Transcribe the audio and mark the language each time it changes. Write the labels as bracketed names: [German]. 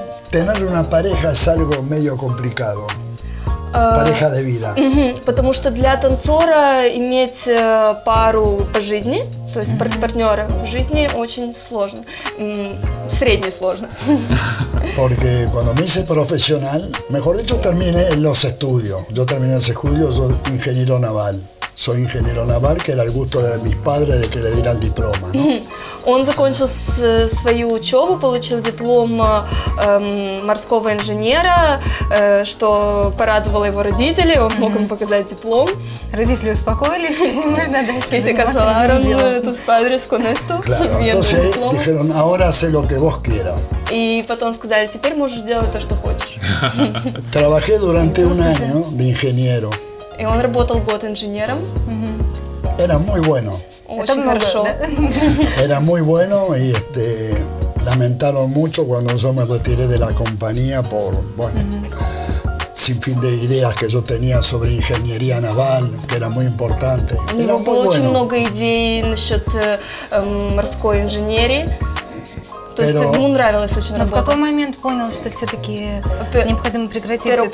[Spanish] Tener una pareja es algo medio complicado. Pareja de vida. [Russian] Потому что для танцора иметь пару по жизни, то есть партнера в жизни, очень сложно. Средне сложно. [Spanish] Porque cuando me hice profesional, mejor dicho, terminé en los estudios. Yo terminé los estudios, yo soy ingeniero naval. Soy ingeniero naval, que era el gusto de mis padres de que le dieran diploma. ¿No? [Russian] Он закончил свою учебу, получил диплом морского инженера, что порадовало его родителей, он мог им показать диплом. Родители успокоились, можно дальше. Если [Spanish] consolaron tus padres con esto, claro, entonces dijeron, ahora haz lo que vos quieras. [Russian] И потом сказали, теперь можешь делать то, что хочешь. [Spanish] Trabajé durante un año de ingeniero. [Russian] И он работал год инженером. [Spanish] Era muy bueno. [Russian] Очень хорошо. [Spanish] Era muy bueno y lamentaron mucho cuando yo me retiré de la compañía por, bueno, sin fin de ideas que yo tenía sobre ingeniería naval, que era muy importante. Era muy bueno. [Russian] Было очень много идей насчет морской инженерии. То есть ему нравилось очень работать. Но в какой момент понял, что все-таки необходимо прекратить эту деятельность?